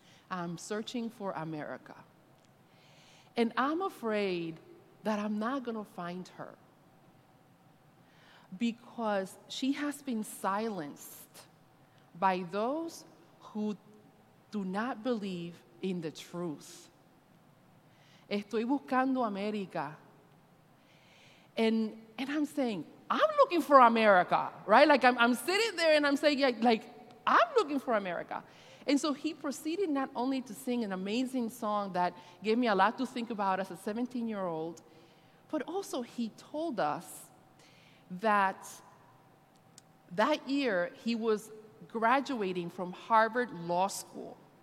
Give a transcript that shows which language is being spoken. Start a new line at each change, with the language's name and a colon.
English: I'm searching for America. And I'm afraid that I'm not going to find her because she has been silenced by those who do not believe in the truth.
Spanish: Estoy buscando America.
English: And I'm saying, I'm looking for America, right? Like I'm sitting there and I'm saying, like I'm looking for America. And so he proceeded not only to sing an amazing song that gave me a lot to think about as a 17-year-old, but also he told us that that year he was graduating from Harvard Law School.